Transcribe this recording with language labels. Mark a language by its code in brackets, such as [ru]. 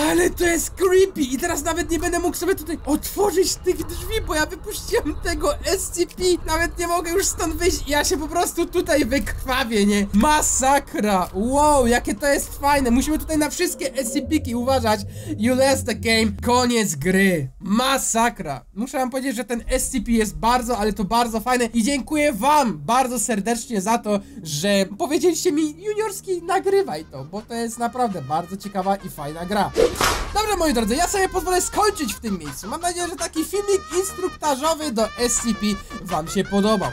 [pl] Ale to jest creepy i teraz nawet nie będę mógł sobie tutaj otworzyć tych drzwi, bo ja wypuściłem tego SCP, nawet nie mogę już stąd wyjść i ja się po prostu tutaj wykrwawię, nie? Masakra! Wow, jakie to jest fajne, musimy tutaj na wszystkie SCP-ki uważać. [en] You lost the game, koniec gry. [pl] Masakra. Muszę wam powiedzieć, że ten SCP jest bardzo, ale to bardzo fajne. I dziękuję wam bardzo serdecznie za to, że powiedzieliście mi: juniorski, nagrywaj to, bo to jest naprawdę bardzo ciekawa i fajna gra. Dobrze, moi drodzy, ja sobie pozwolę skończyć w tym miejscu. Mam nadzieję, że taki filmik instruktażowy do SCP wam się podobał.